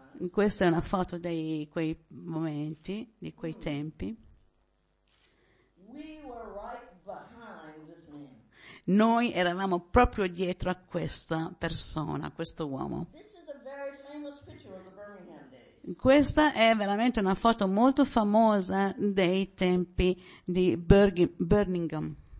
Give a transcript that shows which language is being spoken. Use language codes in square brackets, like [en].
[it] Questa è una foto di quei momenti, di quei tempi. [en] We were right behind this man. [it] Noi eravamo proprio dietro a questa persona, a questo uomo. [en] This is a very famous picture of the Birmingham days. [it] Questa è veramente una foto molto famosa dei tempi di Birmingham.